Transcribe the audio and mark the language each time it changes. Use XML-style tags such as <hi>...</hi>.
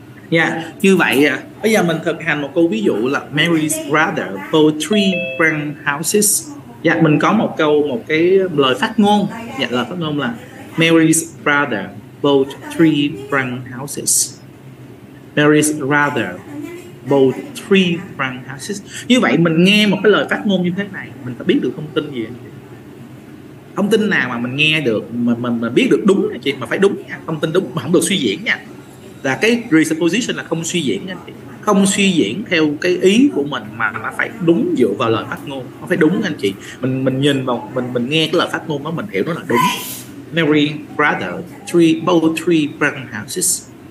<vi>Yeah, như vậy à. Bây giờ mình thực hành một câu ví dụ là</vi> <en>Mary's brother bought three brand houses.</en> <vi>Dạ, yeah, mình có một câu, một cái lời phát ngôn. Dạ, yeah, lời phát ngôn là</vi> <en>Mary's brother bought three brand houses. Mary's brother bought three brand houses.</en> <vi>Như vậy mình nghe một cái lời phát ngôn như thế này, mình đã biết được thông tin gì. Thông tin nào mà mình nghe được, mà biết được đúng nha chị, mà phải đúng nha, thông tin đúng mà không được suy diễn nha. Là cái presupposition là không suy diễn, anh chị, không suy diễn theo cái ý của mình mà nó phải đúng dựa vào lời phát ngôn, nó phải đúng anh chị. Mình nhìn vào mình nghe cái lời phát ngôn đó, mình hiểu nó là đúng.</vi> <en>Mary brother three both three brand houses.</en>